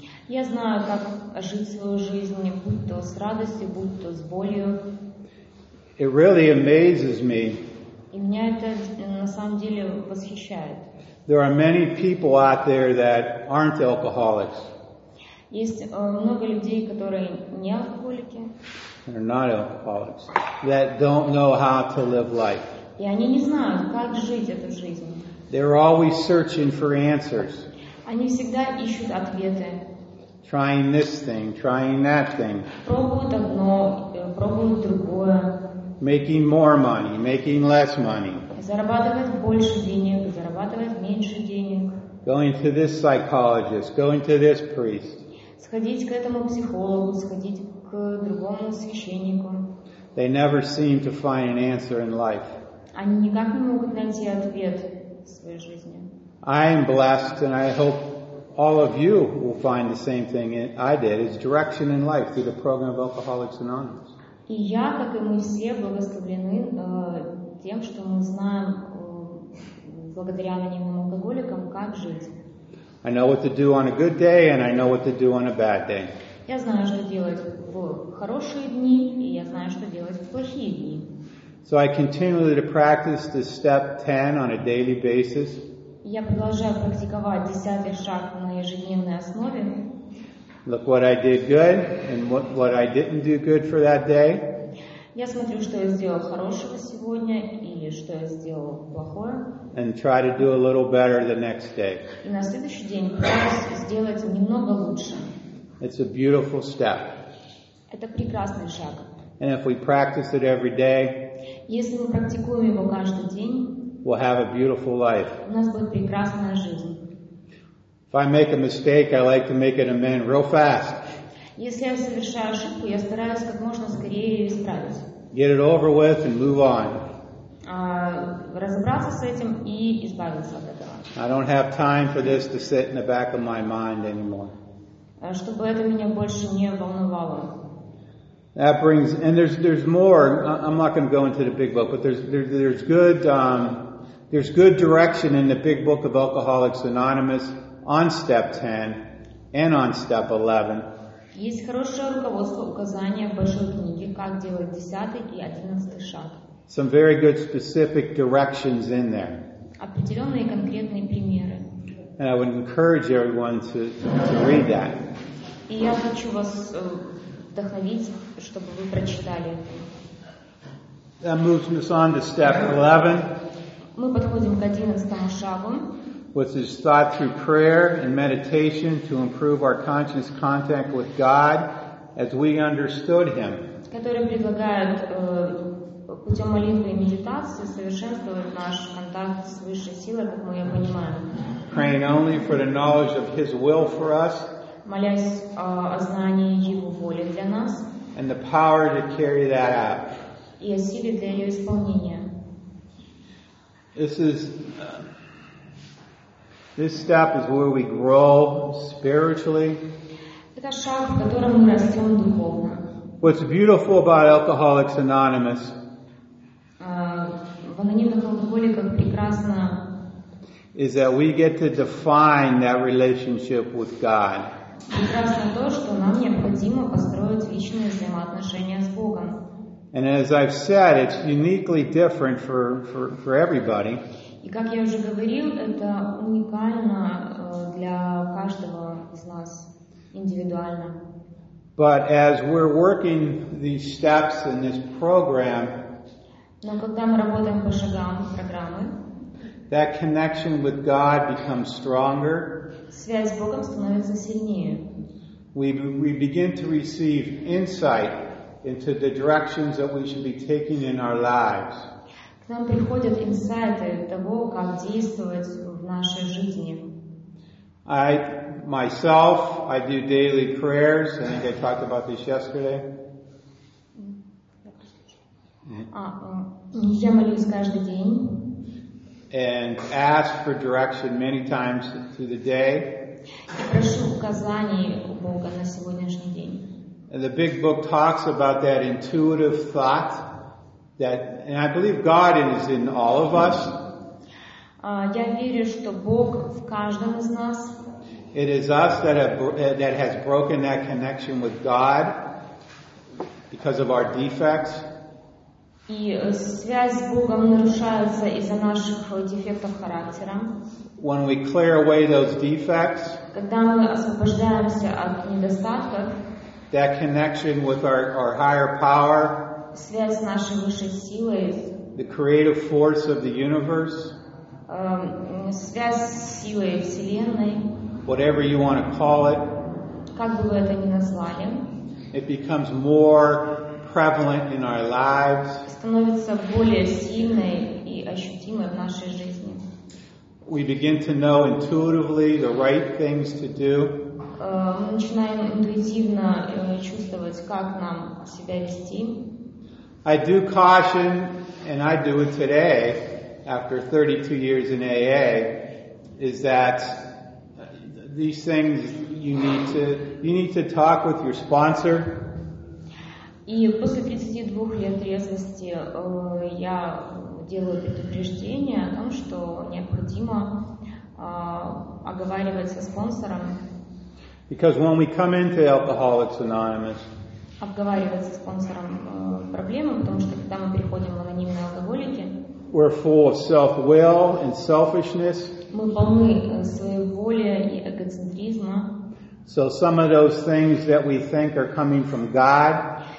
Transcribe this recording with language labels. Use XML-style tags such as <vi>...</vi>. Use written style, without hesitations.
<ru>Я знаю, как жить свою жизнь, будь то с радостью, будь то с болью.</ru> <en>It really amazes me.</en> <ru>И меня это на самом деле восхищает.</ru> <en>There are many people out there that aren't alcoholics.</en> <ru>Есть много людей, которые не алкоголики.</ru> <en>They're not alcoholics. That don't know how to live life.</en> <ru>И они не знают, как жить эту жизнь.</ru> <en>They're always searching for answers.</en> <ru>Они всегда ищут ответы.</ru> <en>Trying this thing, trying that thing.</en> <ru>Пробуют одно, пробуют другое.</ru> <en>Making more money, making less money.</en> <ru>Зарабатывает больше денег, зарабатывает меньше денег.</ru> <en>Going to this psychologist, going to this priest.</en> <ru>Сходить к этому психологу, сходить к другому священнику.</ru> <en>They never seem to find an answer in life.</en> <ru>Они никак не могут найти ответ в своей жизни.</ru> <en>I am blessed and I hope all of you will find the same thing I did, is direction in life through the program of Alcoholics Anonymous.</en> <ru>И я, как и мы все, благословлены тем, что мы знаем, благодаря анонимным алкоголикам, как жить.</ru> <en>I know what to do on a good day, and I know what to do on a bad day.</en> <ru>Я знаю, что делать в хорошие дни, и я знаю, что делать в плохие дни.</ru> <en>So I continually to practice the step 10 on a daily basis.</en> <ru>Я продолжаю практиковать 10-й шаг на ежедневной основе.</ru> <en>Look what I did good and what I didn't do good for that day.</en> <ru>Я смотрю, что я сделал хорошего сегодня или что я сделал плохое.</ru> <en>And try to do a little better the next day.</en> <ru>И на следующий день пытаюсь сделать немного лучше.</ru> <en>It's a beautiful step.</en> <ru>Это прекрасный шаг.</ru> <en>And if we practice it every day,</en> <ru>если мы практикуем его каждый день,</ru> <en>we'll have a beautiful life.</en> <ru>У нас будет прекрасная жизнь.</ru> <en>If I make a mistake, I like to make an amend real fast.</en> <ru>Если я совершаю ошибку, я стараюсь как можно скорее ее исправить.</ru> <en>Get it over with and move on.</en> <ru>Разобраться с этим и избавиться от этого.</ru> <en>I don't have time for this to sit in the back of my mind anymore.</en> <ru>Чтобы это меня больше не волновало.</ru> <en>That brings, and there's more. I'm not going to go into the big book, but there's good direction in the big book of Alcoholics Anonymous on step 10 and on step 11.</en> <ru>Есть хорошее руководство, указание в большой книге, как делать 10-й и 11-й шаг.</ru> <en>Some very good specific directions in there.</en> <ru>Определенные конкретные примеры.</ru> <en>And I would encourage everyone to read that.</en> <ru>И я хочу вас вдохновить, чтобы вы прочитали.</ru> <en>That moves us on to step 11.</en> <ru>Мы подходим к 11-му шагу.</ru> <en>Which is thought through prayer and meditation to improve our conscious contact with God as we understood Him.</en> <ru>Который предлагает путем молитвы и медитации совершенствовать наш контакт с высшей силой, как мы ее понимаем.</ru> <en>Praying only for the knowledge of His will for us.</en> <ru>Молясь о знании Его воли для нас.</ru> <en>And the power to carry that out.</en> <ru>И о силе для ее исполнения.</ru> <en>This step is where we grow spiritually.</en> <ru>Это шаг, в котором мы растем духовно.</ru> <en>What's beautiful about Alcoholics Anonymous?</en> <ru>В анонимных алкоголиках прекрасно.</ru> <en>Is that we get to define that relationship with God.</en> <ru>Прекрасно то, что нам необходимо построить личные взаимоотношения с Богом.</ru> <en>And as I've said, it's uniquely different for everybody.</en> <ru>И как я уже говорил, это уникально для каждого из нас индивидуально.</ru> <en>But as we're working these steps in this program,</en> <ru>но когда мы работаем по шагам программы,</ru> <en>that connection with God becomes stronger.</en> <ru>Связь с Богом становится сильнее.</ru> <en>We begin to receive insight into the directions that we should be taking in our lives.</en> <ru>К нам приходят инсайты того, как действовать в нашей жизни.</ru> <en>I do daily prayers. I think I talked about this yesterday.</en> <ru>Я молюсь каждый день.</ru> <en>And ask for direction many times through the day.</en> <ru>Прошу указаний у Бога на сегодняшний день.</ru> <en>And the big book talks about that intuitive thought that, and I believe God is in all of us.</en> <ru>Я верю, что Бог в каждом из нас.</ru> <en>It is us that has broken that connection with God because of our defects.</en> <ru>И связь с Богом нарушается из-за наших дефектов характера.</ru> <en>When we clear away those defects,</en> <ru>когда мы освобождаемся от недостатков,</ru> <en>that connection with our higher power,</en> <ru>связь с нашей высшей силой,</ru> <en>the creative force of the universe,</en> <ru>связь с силой Вселенной,</ru> <en>whatever you want to call it,</en> <ru>как бы вы это ни назвали,</ru> <en>it becomes more prevalent in our lives,</en> <ru>становится более сильной и ощутимой в нашей жизни.</ru> <en>We begin to know intuitively the right things to do.</en> <ru>Мы начинаем интуитивно чувствовать, как нам себя вести.</ru> <en>I do caution, and I do it today, after 32 years in AA, is that these things you need to talk with your sponsor.</en> <ru>И после 32 лет трезвости я делаю предупреждение о том, что необходимо оговаривать со спонсором.</ru> <en>Because when we come into Alcoholics Anonymous,</en> <ru>обговаривать со спонсором проблемы, потому что когда мы переходим в анонимные алкоголики,</ru> <en>we're full of self-will and selfishness.</en> <ru>Мы полны своеволия и эгоцентризма.</ru> <en>So some of those things that we think are coming from God,</en>